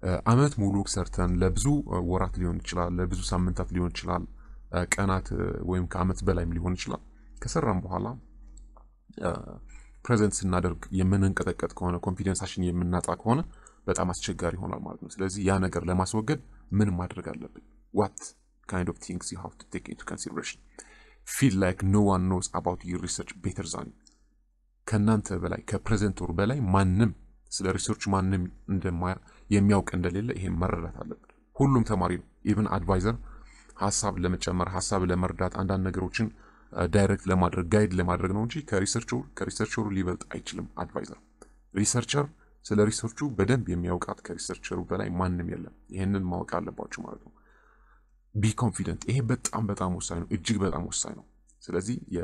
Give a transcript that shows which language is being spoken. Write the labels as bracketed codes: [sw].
[am] አመት ሙሉ ሰርተን ለብዙ ወራት ሊሆን ይችላል፣ ለብዙ ሳምንታት ሊሆን ይችላል፣ ቀናት ወይም ከአመት በላይም ሊሆን ይችላል። ከሰራን በኋላ ፕሬዘንት ስናደርግ የምንንቀጠቀጥ ከሆነ ኮንፊደንሳችን የምናጣ ከሆነ በጣም አስቸጋሪ ይሆናል ማለት ነው። ስለዚህ ያ ነገር ለማስወገድ ምን ማድረግ አለብን? [en] what kind of things you have to take into consideration feel like no one knows about your research better than you [am] ከእናንተ በላይ ከፕሬዘንተሩ በላይ ማንም ስለ ሪሰርች ማንንም እንደማያውቅ እንደሌለ ይሄን መረዳት አለብን። ሁሉም ተማሪ ኢቭን አድቫይዘር ሐሳብ ለመጨመር ሐሳብ ለመርዳት አንዳንድ ነገሮችን ዳይሬክት ለማድረግ ጋይድ ለማድረግ ነው እንጂ ከሪሰርቸሩ ሊበልጥ አይችልም አድቫይዘር። ሪሰርቸር ስለ ሪሰርቹ በደንብ የሚያውቃት ከሪሰርቸሩ በላይ ማንንም የለም። ይሄንን ማወቅ አለባችሁ ማለት ነው። ቢ ኮንፊደንት ይሄ በጣም በጣም ወሳኝ ነው፣ እጅግ በጣም ወሳኝ ነው። ስለዚህ